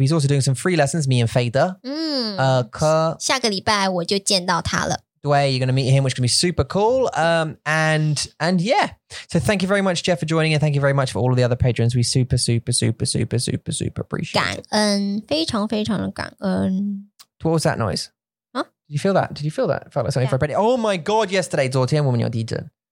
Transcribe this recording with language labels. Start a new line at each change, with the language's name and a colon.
English: He's also doing some free lessons, me and Fader.
Chinese: 下个礼拜我就见到他了。
English: Dway, you're going to meet him, which is going to be super cool. And yeah. So thank you very much, Jeff, for joining. And thank you very much for all of the other patrons. We super, super, super, super, super, super appreciate it.
Chinese: 感恩，非常非常的感恩。
English: What was that noise? Did you feel that? Did you feel that? It felt like something for a penny. Oh my God, yesterday,
Chinese: 昨天我们有地震。